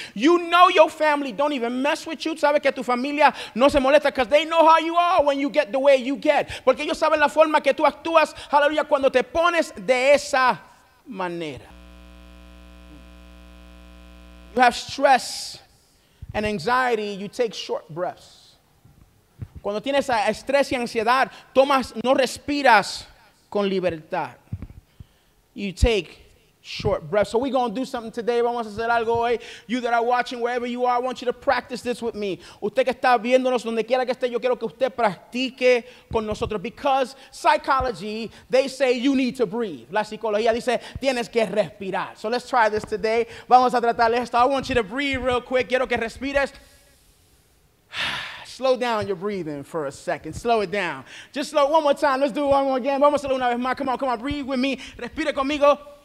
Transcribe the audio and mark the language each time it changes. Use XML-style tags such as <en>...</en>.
<en>You know your family don't even mess with you.</en> <es>Sabes que tu familia no se molesta</es> <en>because they know how you are when you get the way you get.</en> <es>Porque ellos saben la forma que tú actúas, aleluya, cuando te pones de esa manera.</es> <en>You have stress and anxiety. You take short breaths.</en> <es>Cuando tienes estrés y ansiedad, tomas, no respiras con libertad.</es> <en>You take short breaths. So we're going to do something today.</en> <es>Vamos a hacer algo hoy.</es> <en>You that are watching, wherever you are, I want you to practice this with me.</en> <es>Usted que está viéndonos, donde quiera que esté, yo quiero que usted practique con nosotros.</es> <en>Because psychology, they say you need to breathe.</en> <es>La psicología dice, tienes que respirar.</es> <en>So let's try this today.</en> <es>Vamos a tratar esto.</es> <en>I want you to breathe real quick.</en> <es>Quiero que respires.</es> <en>Slow down your breathing for a second. Slow it down. Just slow one more time. Let's do it one more again.</en> <es>Vamos a hacerlo una vez más.</es> <en>Come on, come on. Breathe with me.</en> <es>Respire conmigo.</es>